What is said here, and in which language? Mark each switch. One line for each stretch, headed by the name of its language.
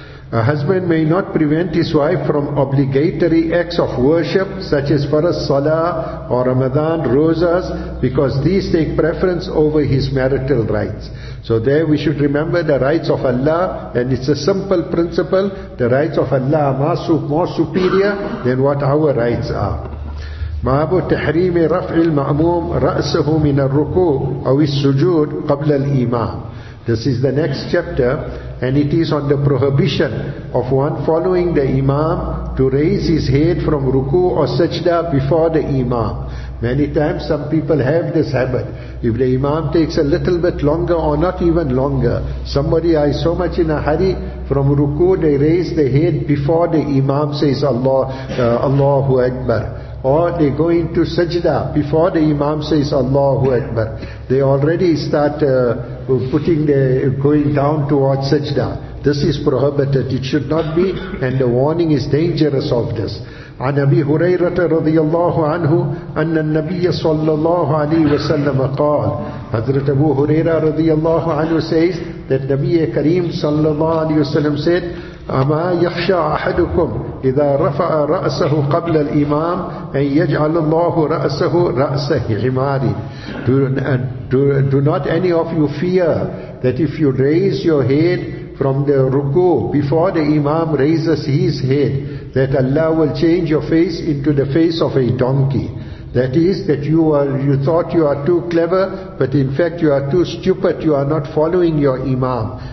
English: A husband may not prevent his wife from obligatory acts of worship, such as Farz Salah or Ramadan rozas, because these take preference over his marital rights. So there we should remember the rights of Allah, and it's a simple principle, the rights of Allah are more superior than what our rights are.
Arabic: باب تحريم رفع المأموم رأسه من الركوع أو السجود قبل الإمام.
English: This is the next chapter, and it is on the prohibition of one following the imam to raise his head from ruku or sajda before the imam. Many times some people have this habit. If the imam takes a little bit longer or not even longer, somebody is so much in a hurry, from ruku they raise the head before the imam says Allahu Akbar. Or they go into sajda before the imam says Allahu Akbar. They already start going down towards sajda. This is prohibited. It should not be. And the warning is dangerous of this.
Arabic: عن أبي هريرة رضي الله عنه أن النبي صلى الله عليه وسلم قال. Hazrat Abu Huraira رضي الله عنه
English: says that
Arabic: نبي كريم صلى الله عليه وسلم
English: said,
Arabic: أما يخشى أحدكم إذا رفع رأسه قبل الإمام أن يجعل الله رأسه رأسه حماري.
English: Do not any of you fear that if you raise your head from the ruku before the Imam raises his head, that Allah will change your face into the face of a donkey. That is, that you thought you are too clever, but in fact you are too stupid, you are not following your imam.